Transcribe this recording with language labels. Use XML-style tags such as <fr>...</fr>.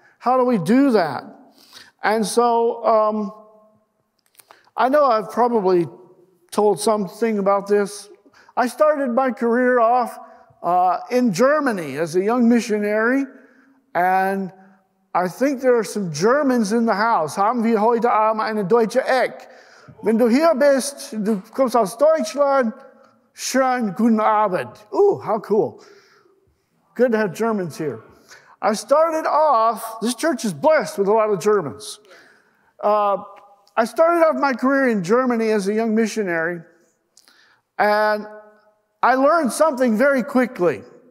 <en>How do we do that? And so I know I've probably told something about this. I started my career off in Germany as a young missionary, and I think there are some Germans in the house.</en> <de>Haben wir heute Abend eine deutsche Eck? Wenn du hier bist, du kommst aus Deutschland, schönen guten Abend.</de> <en>Ooh, how cool. Good to have Germans here. I started off, this church is blessed with a lot of Germans. I started off my career in Germany as a young missionary, and I learned something very quickly.</en>